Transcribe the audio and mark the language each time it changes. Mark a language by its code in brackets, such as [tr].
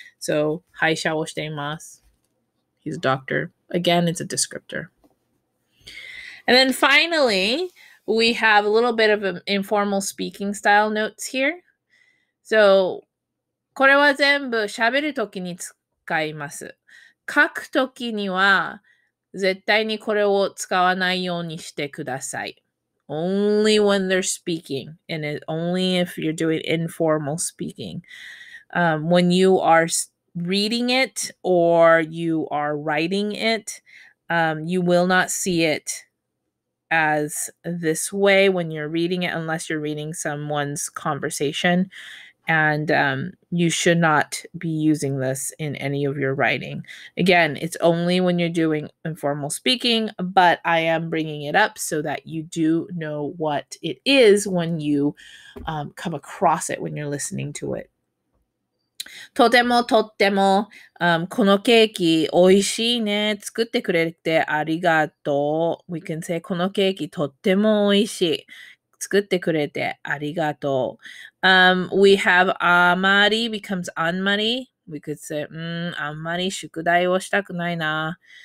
[ja] So, 歯医者をしています. [en] He's a doctor. Again, it's a descriptor. And then finally, we have a little bit of an informal speaking style notes here. [ja] So, これは全部喋るときに使います。書くときには絶対にこれを使わないようにしてください。 [en] Only when they're speaking, and it, only if you're doing informal speaking. When you are reading it or you are writing it, you will not see it as this way when you're reading it, unless you're reading someone's conversation. And you should not be using this in any of your writing. Again, it's only when you're doing informal speaking, but I am bringing it up so that you do know what it is when you come across it, when you're listening to it. [ja] とてもとっても、このケーキおいしいね。作ってくれてありがとう。 We can say このケーキとってもおいしい。作ってくれてありがとう。 [en] We have あまり becomes あんまり。We could say, あんまり宿題をしたくないな。